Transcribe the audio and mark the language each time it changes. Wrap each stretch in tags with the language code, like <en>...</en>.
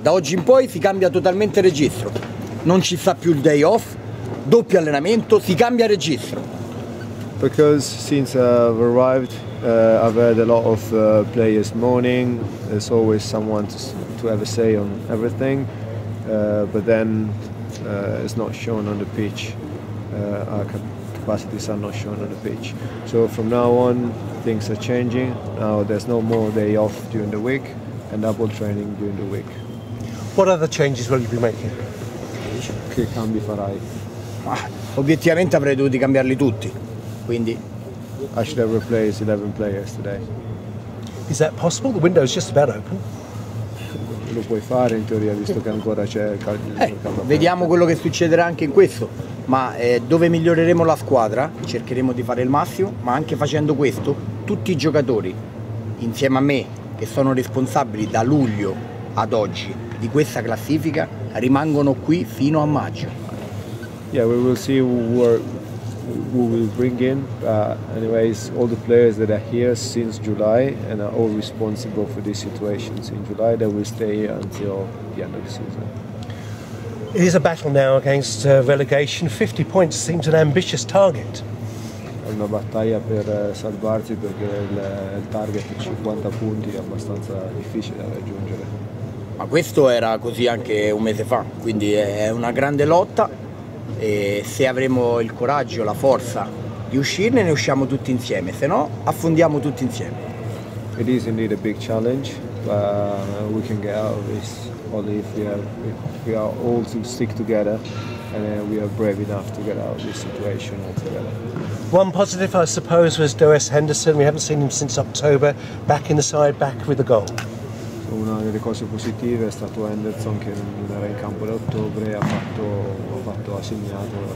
<it>Da oggi in poi si cambia totalmente registro, non ci sta più il day off, doppio allenamento, si cambia registro.</it> <en>Because since I've arrived, I've had a lot of players moaning, there's always someone to have a say on everything, but then it's not shown on the pitch. Capacities are not shown on the pitch. So from now on, things are changing. Now there's no more day off during the week and double training during the week. What other changes will you be making?</en> <it>Che cambi farai? Obiettivamente avrei dovuto cambiarli tutti, quindi...</it> <en>I should have replaced 11 players today. Is that possible? The window is just about open.</en> <it>Lo puoi fare in teoria, visto che ancora c'è... Vediamo quello che succederà anche in questo. Ma dove miglioreremo la squadra, cercheremo di fare il massimo, ma anche facendo questo, tutti i giocatori, insieme a me, che sono responsabili da luglio ad oggi di questa classifica, rimangono qui fino a maggio.</it> <en>Yeah, we will see who will bring in. Anyways, all the players that are here since July and are all responsible for these situations in July, they will stay here until the end of the season. It is a battle now against relegation. 50 points seems an ambitious target.</en> <it>È una battaglia per salvarti perché il target di 50 punti è abbastanza difficile da raggiungere. Ma questo era così anche un mese fa, quindi è una grande lotta e se avremo il coraggio, la forza di uscirne, ne usciamo tutti insieme, se no affondiamo tutti insieme.</it> <en>It is indeed a big challenge, but we can get out of this. Only if we are all to stick together and we are brave enough to get out of this situation altogether. One positive, I suppose, was Doris Henderson. We haven't seen him since October, back in the side, back with a goal.</en> <it>Una delle cose positive è stato Henderson che non era in campo da ottobre e ha fatto una buona partita.</it>